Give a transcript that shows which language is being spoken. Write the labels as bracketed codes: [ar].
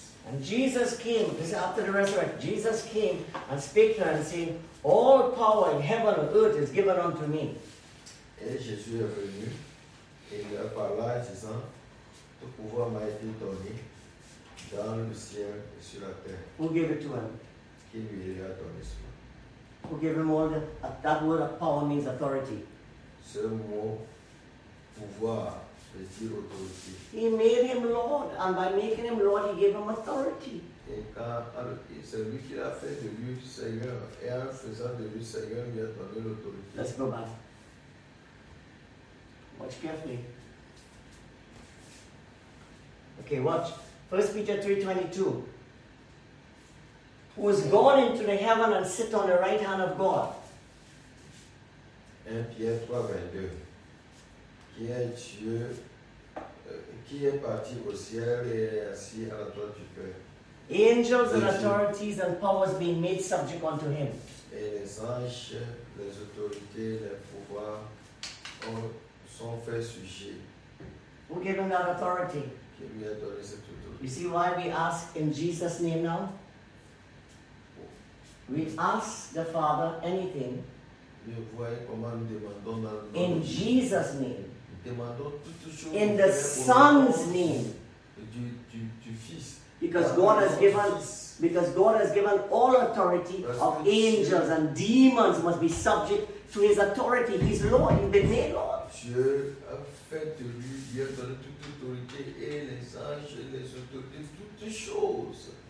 [en] And Jesus came, this is after the resurrection, Jesus came and spake to him, saying, all power in heaven and earth is given unto me. [fr] Et Jésus est venu, et il a parlé, disant, tout pouvoir m'a été donné dans le ciel et sur la terre. [en] Who gave it to him? [fr] Qui lui a donné cela? [en] Who gave him all the, that word of power means authority. [fr] Ce mot, pouvoir. Veut dire autorité. [en] He made him Lord, and by making him Lord, he gave him authority. [fr] Et quand c'est lui qui a fait de lui Seigneur, et en faisant de lui Seigneur, il a donné l'autorité. [en] Let's go back. Watch carefully. Okay, watch. 1 Peter 3:22. Who has gone into the heaven and sit on the right hand of God? [fr] 1 Pierre 3:22. Qui est Dieu? Qui est parti au ciel et est assis à la droite du Père? [en] Angels and authorities and powers being made subject unto him. [fr] Et les anges, les autorités, les pouvoirs sont faits sujets. [en] Who gave him that authority? [fr] Qui lui a donné cette autorité? [en] You see why we ask in Jesus' name now? We ask the Father anything. [fr] Vous voyez comment nous demandons dans le nom. [en] In Jesus' name. In the Son's name. [fr] Du fils. [en] Because God has given all authority. [fr] Parce [en] of angels [fr] Dieu, [en] and demons must be subject to his authority. He's Lord, he's been made Lord. [fr] Dieu a fait de lui, il a donné toute autorité et les anges, les autorités, toutes choses.